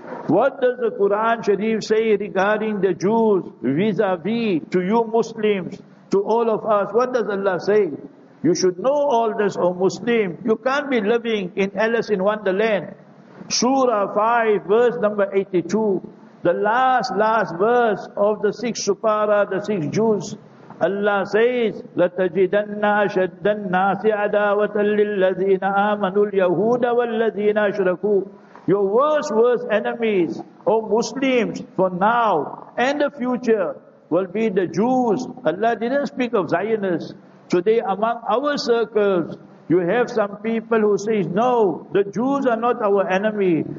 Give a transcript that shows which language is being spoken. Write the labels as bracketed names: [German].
[English] What does the Quran Sharif say regarding the Jews vis-a-vis to you Muslims, to all of us? What does Allah say? You should know all this, O Muslim. You can't be living in Alice in Wonderland. Surah 5, verse number 82. The last verse of the six supara, the six Jews. Allah says, [Arabic] لَتَجِدَنَّ أَشَدَّ النَّاسِ عَدَاوَةً لِلَّذِينَ آمَنُوا الْيَهُودَ وَالَّذِينَ أَشْرَكُوا. [English] Your worst enemies, O Muslims, for now and the future, will be the Jews. Allah didn't speak of Zionists. Today among our circles, you have some people who say, no, the Jews are not our enemy.